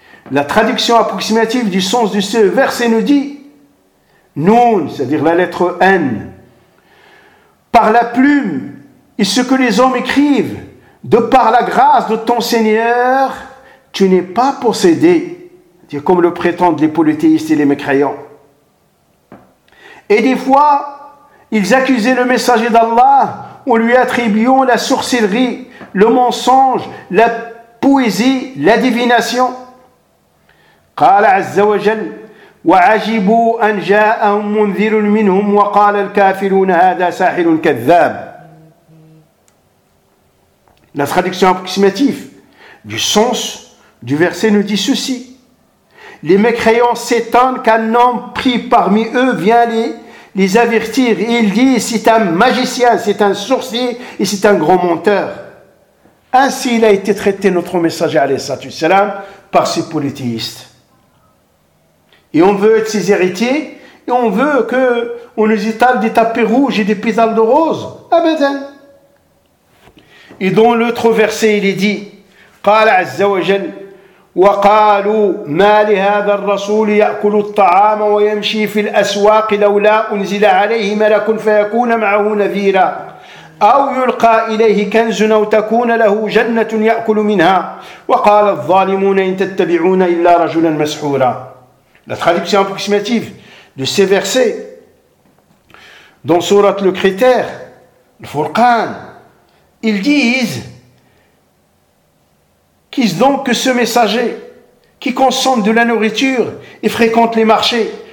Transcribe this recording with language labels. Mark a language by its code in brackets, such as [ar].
[fr] La traduction approximative du sens de ce verset nous dit Nun, c'est-à-dire la lettre N, par la plume et ce que les hommes écrivent, de par la grâce de ton Seigneur, tu n'es pas possédé. C'est comme le prétendent les polythéistes et les mécréants. Et des fois, ils accusaient le messager d'Allah en lui attribuant la sorcellerie, le mensonge, la poésie, la divination. [ar] قال عز وجل وعجبوا أن جاءهم منذر منهم وقال الكافرون هذا ساحر كذاب. [fr] La traduction approximative du sens du verset nous dit ceci. Les mécréants s'étonnent qu'un homme pris parmi eux vient les avertir. Et ils disent, c'est un magicien, c'est un sorcier et c'est un grand menteur. Ainsi il a été traité notre messager, alayhi salam, par ces polythéistes. Et on veut être ses héritiers et on veut qu'on nous étale des tapis rouges et des pétales de roses. Abedin. Et dans l'autre verset, il est dit, [ar] « قال عز وجل » وقالوا ما لهذا الرسول يأكل الطعام ويمشي في الأسواق لولا أنزل عليه ملك فيكون معه نذيرا أو يلقى إليه كنز أو تكون له جنة يأكل منها وقال الظالمون إن تتبعون إلا رجلا مسحورا. [fr] La traduction approximative de ces versets dans sourate Le Critère, Le Furqan, ils disent: qui donc que ce messager qui consomme de la nourriture et fréquente les marchés?